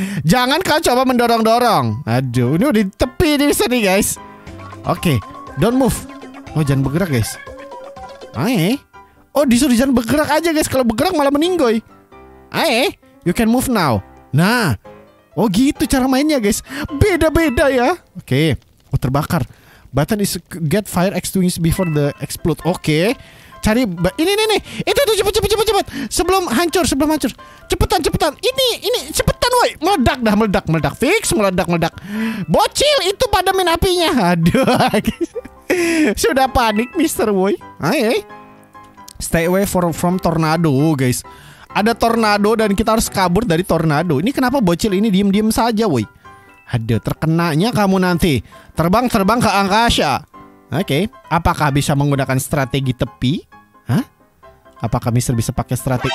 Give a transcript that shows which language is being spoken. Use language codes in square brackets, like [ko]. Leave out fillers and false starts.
[id] Jangan kau coba mendorong-dorong. Aduh. Ini udah di tepi ini Mister nih guys. Oke. [en] Don't move. [id] Oh jangan bergerak guys. Oke. Oh disuruh jangan bergerak aja guys. Kalau bergerak malah meninggoy. Oke. [en] You can move now. [id] Nah. Oh gitu cara mainnya guys. Beda-beda ya. Oke. Okay. Oh terbakar. [en] Button is get fire extinguished before the explode. [id] Oke. Okay. Cari. Ini. Itu cepet. Sebelum hancur. Cepetan. Ini. Cepetan woy. Meledak. Fix meledak. Bocil itu padamin apinya. Aduh. Sudah panik Mister woy. Oke. [en] Stay away from tornado guys. [id] Ada tornado dan kita harus kabur dari tornado. Ini kenapa bocil ini diem-diem saja, woi? Aduh, terkenanya kamu nanti. Terbang ke angkasa. Oke, okay. Apakah bisa menggunakan strategi tepi? Hah? Apakah Mister bisa pakai strategi?